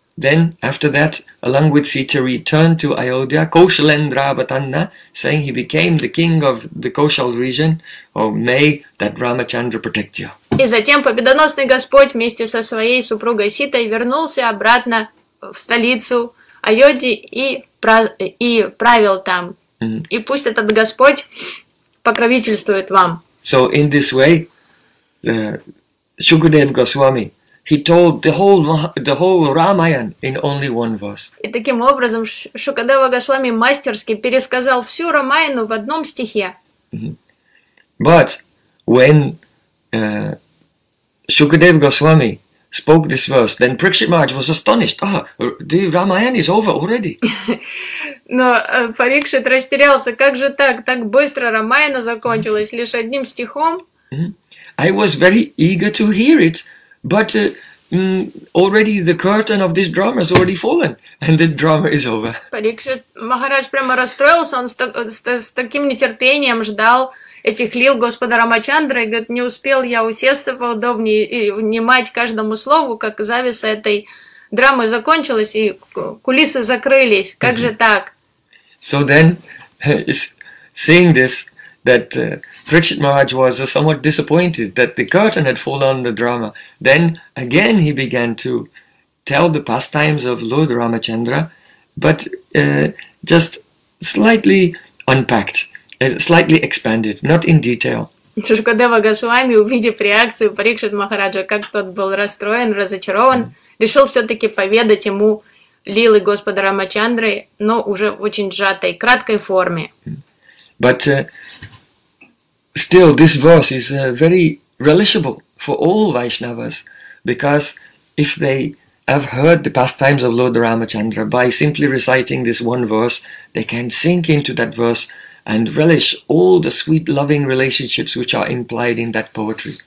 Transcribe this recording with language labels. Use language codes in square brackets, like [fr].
[en] Then, after that, along with Sita, returned to Ayodhya, Kaushalendra Avatanna, saying he became the king of the Kaushal region, or may that Ramachandra protect you. [ru] И затем победоносный Господь вместе со своей супругой Ситой вернулся обратно в столицу Айодхи и правил там. Mm-hmm. И пусть этот Господь покровительствует вам. [en] So, in this way, Shukadev Goswami, he told the whole Ramayana in only one verse. [ru] И таким образом Шукадева Госвами мастерски пересказал всю Рамаяну в одном стихе. [en] But when Shukadeva Goswami spoke this verse, then Parikshit Maharaj was astonished. Ah, the Ramayana is over already. [ru] Но Парикшит растерялся. Как же так? Так быстро Рамаяна закончилась лишь одним стихом? [en] I was very eager to hear it. But already the curtain of this drama has already fallen, and the drama is over. [ru] Парикшит Махарадж прямо расстроился, он с таким нетерпением ждал этих лил Господа Рамачандры, и говорит, не успел я усесться поудобнее и внимать каждому слову, как завеса этой драмы закончилась, и кулисы закрылись. Как же так? [en] So then, seeing this, that Parikshit Maharaj was somewhat disappointed that the curtain had fallen on the drama. Then again he began to tell the pastimes of Lord Ramachandra, but just slightly unpacked, slightly expanded, not in detail. [ru] Шукадева Госвами, увидев реакцию Парикшит Махараджа, как тот был расстроен, разочарован, решил все-таки поведать ему лилы Господа Рамачандры, но уже в очень сжатой, краткой форме. [en] But still, this verse is very relishable for all Vaishnavas, because if they have heard the pastimes of Lord Ramachandra, by simply reciting this one verse, they can sink into that verse and relish all the sweet, loving relationships which are implied in that poetry.